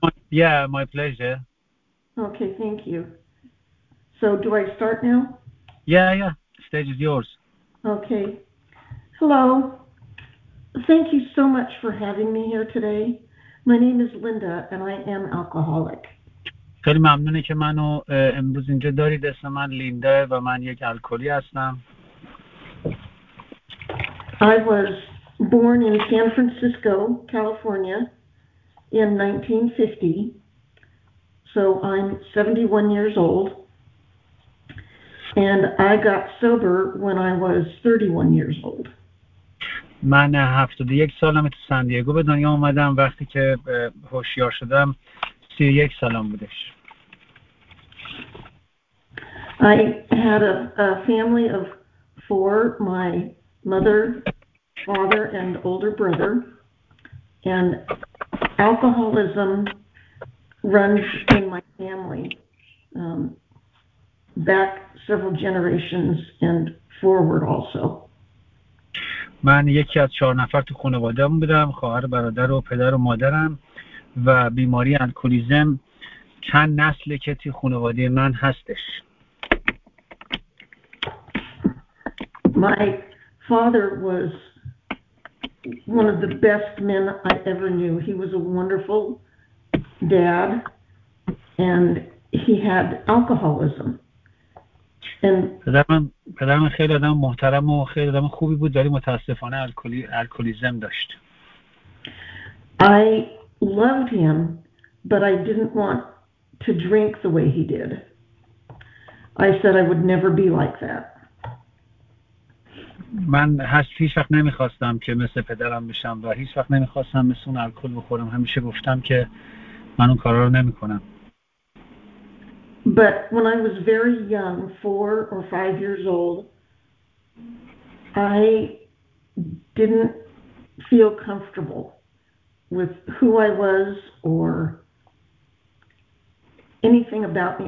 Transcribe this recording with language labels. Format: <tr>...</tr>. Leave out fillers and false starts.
<en>Yeah, my pleasure. Okay, thank you. So do I start now? Yeah. Stage is yours. Okay. Hello. Thank you so much for having me here today. My name is Linda and I am alcoholic.</en> <fa>خیلی ممنونه که منو امروز اینجا دارید. اسم من لیندا و من یک الکلی هستم.</fa> <en>I was born in San Francisco, California in 1950. So I'm 71 years old. And I got sober when I was 31 years old.</en> <fa>من 71 سالم تو سان دیگو به دنیا اومدم. وقتی که هوشیار شدم 31 سالم بودش.</fa> <en>I had a family of four, my mother, father, and older brother. And alcoholism runs in my family back several generations and forward also.</en> <fa>من یکی از چهار نفر تو خانواده هم بودم، خواهر، برادر و پدر و مادرم، و بیماری الکولیزم چند نسل که تو خانواده من هستش.</fa> <en>My father was one of the best men I ever knew. He was a wonderful dad and he had alcoholism.</en> <fa>پدرم خیلی آدم محترم و خیلی آدم خوبی بود، ولی متاسفانه الکلیزم داشت.</fa> <en>I loved him, but I didn't want to drink the way he did. I said I would never be like that.</en> <fa>من هیچ وقت نمیخواستم که مثل پدرم بشم و هیچ وقت نمیخواستم مثل اون الکل بخورم. همیشه گفتم که من اون کارا رو نمیکنم.</fa> <en>But when I was very young, 4 or 5 years old, I didn't feel comfortable with who I was or anything about me.</en>